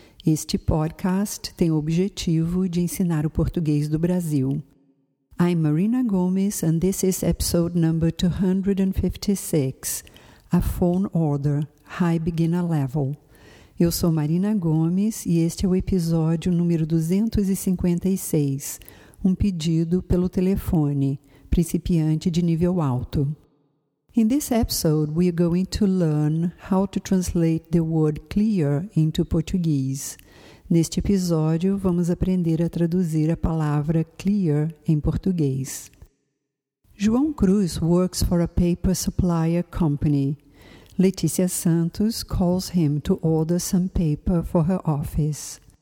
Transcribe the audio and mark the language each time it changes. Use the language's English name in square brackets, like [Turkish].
[Portuguese] Este podcast tem o objetivo de ensinar o português do Brasil. [English] I'm Marina Gomes and this is episode number 256, A Phone Order, High Beginner Level. [Portuguese] Eu sou Marina Gomes e este é o episódio número 256, um pedido pelo telefone, principiante de nível alto. [English] In this episode, we are going to learn how to translate the word clear into Portuguese. [Portuguese] Neste episódio, vamos aprender a traduzir a palavra clear em português. [English] João Cruz works for a paper supplier company. Letícia Santos calls him to order some paper for her office.